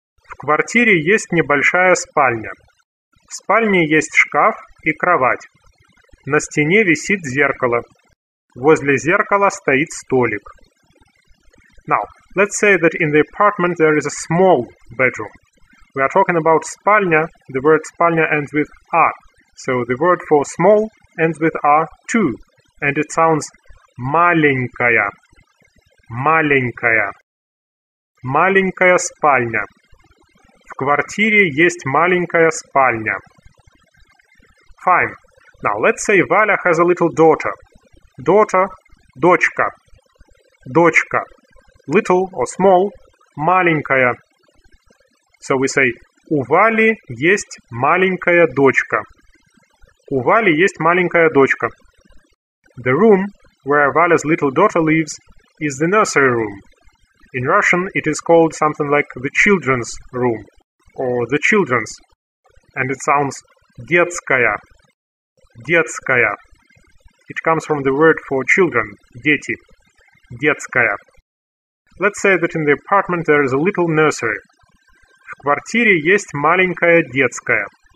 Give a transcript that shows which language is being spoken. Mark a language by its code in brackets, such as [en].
[ru] В квартире есть небольшая спальня. В спальне есть шкаф и кровать. На стене висит зеркало. Возле зеркала стоит столик. [en] Now, let's say that in the apartment there is a small bedroom. We are talking about спальня. The word спальня ends with a. So the word for small ends with a too. And it sounds маленькая. Маленькая. [ru] Маленькая спальня. В квартире есть маленькая спальня. [en] Fine. Now, let's say Валя has a little daughter. Daughter – дочка. Дочка. Little or small – маленькая. So we say [ru] «У Вали есть маленькая дочка». У Вали есть маленькая дочка. [en] The room where Валя's little daughter lives is the nursery room. In Russian, it is called something like the children's room or the children's. And it sounds «детская». Детская. It comes from the word for children, дети. [ru] Детская. [en] Let's say that in the apartment there is a little nursery. [ru] В квартире есть маленькая детская.